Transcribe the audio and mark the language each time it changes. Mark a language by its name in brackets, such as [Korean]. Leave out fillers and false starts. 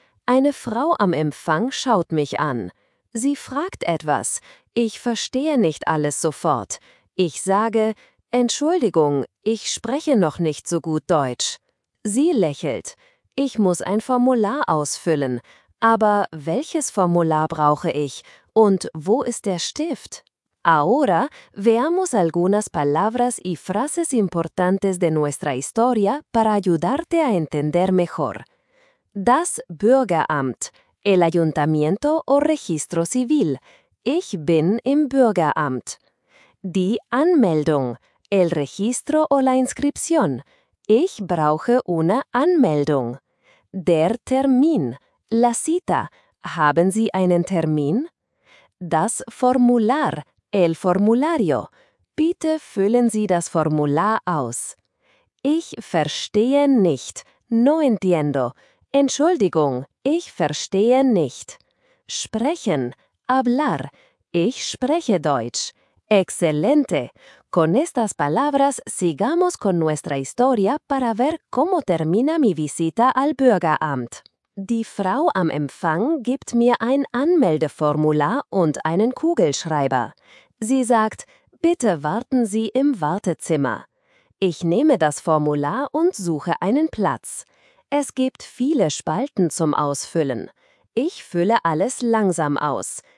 [German] Eine Frau am Empfang schaut mich an. Sie fragt etwas. Ich verstehe nicht alles sofort. Ich sage, Entschuldigung, ich spreche noch nicht so gut Deutsch. Sie lächelt. Ich muss ein Formular ausfüllen. Aber welches Formular brauche ich? Und wo ist der Stift? [Spanish] Ahora veamos algunas palabras y frases importantes de nuestra historia para ayudarte a entender mejor. [German] Das Bürgeramt, [Spanish] el Ayuntamiento o Registro Civil. [German] Ich bin im Bürgeramt. Die Anmeldung, [Spanish] el Registro o la Inscripción. [German] Ich brauche una Anmeldung. Der Termin, [Spanish] la cita. [German] Haben Sie einen Termin? Das Formular, [Spanish] el formulario. [German] Bitte füllen Sie das Formular aus. Ich verstehe nicht. [Spanish] No entiendo. [German] Entschuldigung, ich verstehe nicht. Sprechen, [Spanish] hablar. [German] Ich spreche Deutsch. [Spanish] Excelente. Con estas palabras sigamos con nuestra historia para ver cómo termina mi visita al Bürgeramt. [German] Die Frau am Empfang gibt mir ein Anmeldeformular und einen Kugelschreiber. Sie sagt, bitte warten Sie im Wartezimmer. Ich nehme das Formular und suche einen Platz. Es gibt viele Spalten zum Ausfüllen. Ich fülle alles langsam aus.